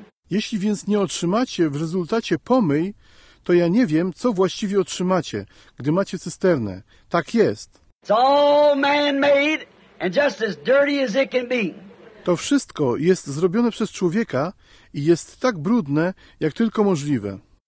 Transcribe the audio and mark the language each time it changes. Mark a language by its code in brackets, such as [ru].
[pl] Jeśli więc nie otrzymacie w rezultacie pomyj, to ja nie wiem, co właściwie otrzymacie, gdy macie cysternę. Tak jest. [en] It's all man-made and just as dirty as it can be. [pl] To wszystko jest zrobione przez człowieka i jest tak brudne, jak tylko możliwe.